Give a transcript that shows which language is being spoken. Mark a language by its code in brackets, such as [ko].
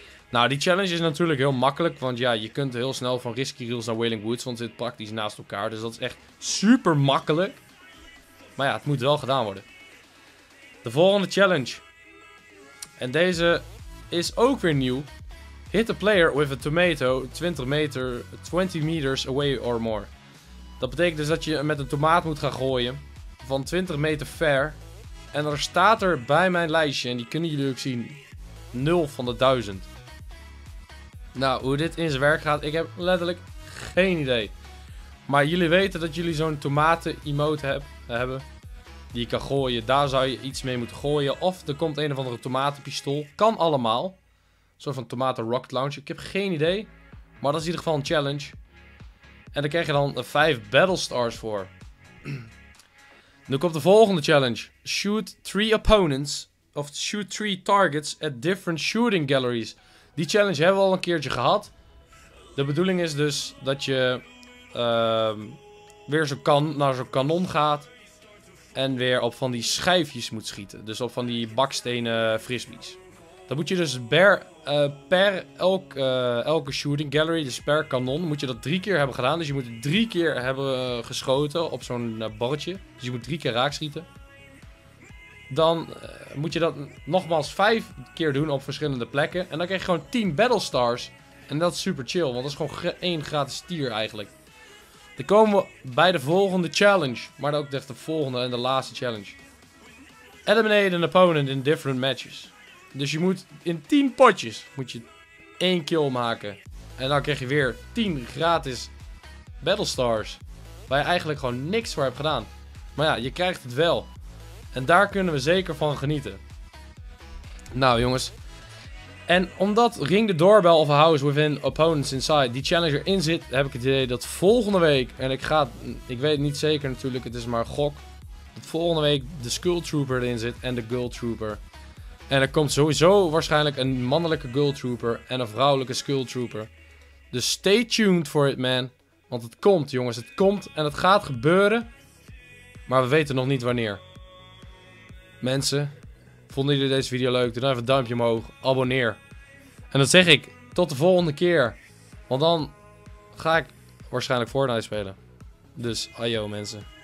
[nl] Nou, die challenge is natuurlijk heel makkelijk, want ja, je kunt heel snel van Risky Reels naar Wailing Woods, want het zit praktisch naast elkaar, dus dat is echt super makkelijk. Maar ja, het moet wel gedaan worden. De volgende challenge. En deze is ook weer nieuw. [en] Hit a player with a tomato 20 meters away or more. [nl] Dat betekent dus dat je met een tomaat moet gaan gooien van 20 meter ver. En er staat er bij mijn lijstje, en die kunnen jullie ook zien, 0 van de 1000. Nou, hoe dit in zijn werk gaat, ik heb letterlijk geen idee. Maar jullie weten dat jullie zo'n tomaten-emote hebben. Die je kan gooien. Daar zou je iets mee moeten gooien. Of er komt een of andere tomatenpistool. Kan allemaal. Een soort van tomaten-rocket launcher. Ik heb geen idee. Maar dat is in ieder geval een challenge. En daar krijg je dan 5 battlestars voor. Nu komt de volgende challenge. [en] Shoot 3 opponents. Of shoot 3 targets at different shooting galleries. [nl] Die challenge hebben we al een keertje gehad. De bedoeling is dus dat je weer naar zo'n kanon gaat. En weer op van die schijfjes moet schieten. Dus op van die bakstenen frisbees. Dan moet je dus per elke shooting gallery, dus per kanon, moet je dat 3 keer hebben gedaan. Dus je moet 3 keer hebben geschoten op zo'n bordje. Dus je moet 3 keer raakschieten. Dan moet je dat nogmaals 5 keer doen op verschillende plekken. En dan krijg je gewoon 10 battlestars. En dat is super chill, want dat is gewoon 1 gratis tier eigenlijk. Dan komen we bij de volgende challenge. Maar ook echt de volgende en de laatste challenge. [en] Eliminate an opponent in different matches. [nl] Dus je moet in 10 potjes moet je 1 kill maken. En dan krijg je weer 10 gratis battlestars. Waar je eigenlijk gewoon niks voor hebt gedaan. Maar ja, je krijgt het wel. En daar kunnen we zeker van genieten. Nou jongens. En omdat [en] Ring the Doorbell of a House Within Opponents Inside [nl] die challenger in zit, heb ik het idee dat volgende week, en ik weet het niet zeker natuurlijk, het is maar een gok, dat volgende week de Skull Trooper erin zit en de Girl Trooper. En er komt sowieso waarschijnlijk een mannelijke Girl Trooper en een vrouwelijke Skull Trooper. Dus [en] stay tuned for it man. [nl] Want het komt jongens, het komt en het gaat gebeuren. Maar we weten nog niet wanneer. Mensen, vonden jullie deze video leuk? Doe dan even een duimpje omhoog. Abonneer. En dan zeg ik, tot de volgende keer. Want dan ga ik waarschijnlijk Fortnite spelen. Dus, ayo mensen.